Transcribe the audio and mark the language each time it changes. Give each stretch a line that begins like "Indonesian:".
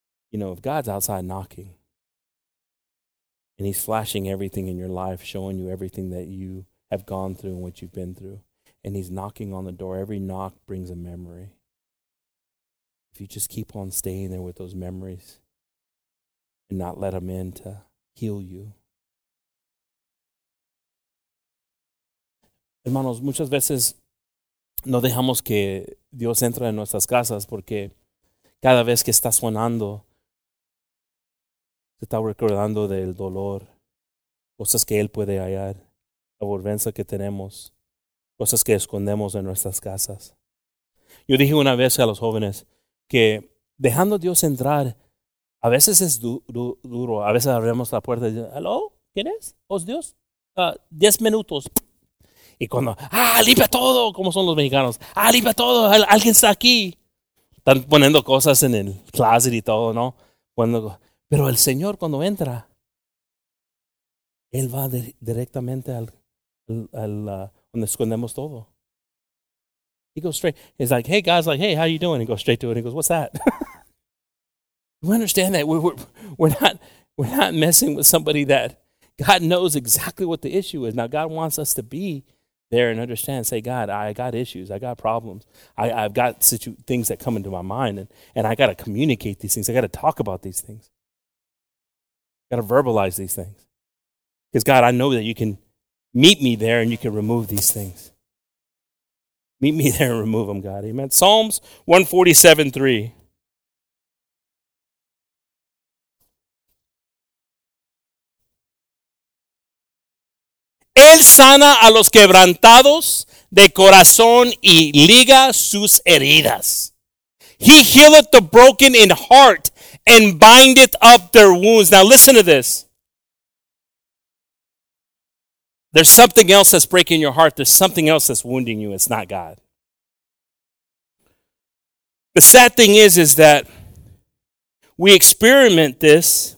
English: You know, if God's outside knocking and he's flashing everything in your life, showing you everything that you have gone through and what you've been through, and he's knocking on the door, every knock brings a memory. If you just keep on staying there with those memories and not let him in to heal you.
Spanish: Hermanos, muchas veces no dejamos que Dios entre en nuestras casas porque cada vez que está sonando, se está recordando del dolor, cosas que Él puede hallar, la vergüenza que tenemos, cosas que escondemos en nuestras casas. Yo dije una vez a los jóvenes que dejando a Dios entrar, a veces es duro, a veces abrimos la puerta y dicen, ¿aló? ¿Quién es? ¿Os Dios? 10 minutos. Y cuando, limpia todo, como son los mexicanos. Limpia todo, alguien está aquí. Están poniendo cosas en el closet y todo, ¿no? Pero el Señor cuando entra, Él va directamente al donde escondemos todo.
English: He goes straight. He's like, hey, guys, like, hey, how you doing? He goes straight to it. He goes, what's that? We understand that. We're not messing with somebody that God knows exactly what the issue is. Now, God wants us to be there and understand, say, God, I got issues, I got problems, I've got things that come into my mind, and I got to communicate these things, I got to talk about these things, I got to verbalize these things. Because God, I know that you can meet me there and you can remove these things. Meet me there and remove them, God. Amen. Psalms 147:3.
Spanish: Él sana a los quebrantados de corazón y liga sus heridas.
English: He healeth the broken in heart and bindeth up their wounds. Now listen to this. There's something else that's breaking your heart. There's something else that's wounding you. It's not God. The sad thing is that we experiment this.